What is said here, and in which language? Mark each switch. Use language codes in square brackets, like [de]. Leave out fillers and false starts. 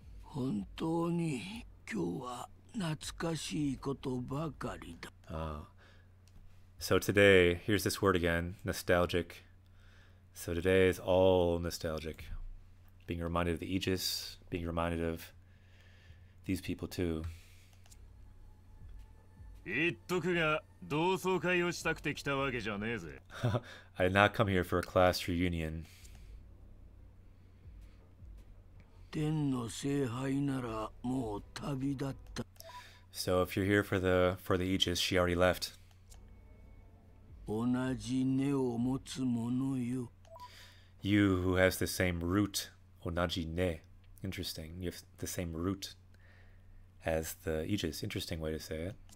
[ja] Hontou ni kyou wa... Natsukashii koto bakari da. [en] Ah. So today, here's this word again, nostalgic. So today is all nostalgic. Being reminded of the Aegis, being reminded of these people too. [ja] 一徳が同窓会をしたくて来たわけじゃねえぜ。 [en] I did not come here for a class reunion. [ja] 天の聖杯ならもう旅立った。 [en] So if you're here for the Aegis, she already left. [ja] 同じ根を持つ者よ。 [en] You who has the same root, 同じ根. Interesting. You have the same root as the Aegis. Interesting way to say it.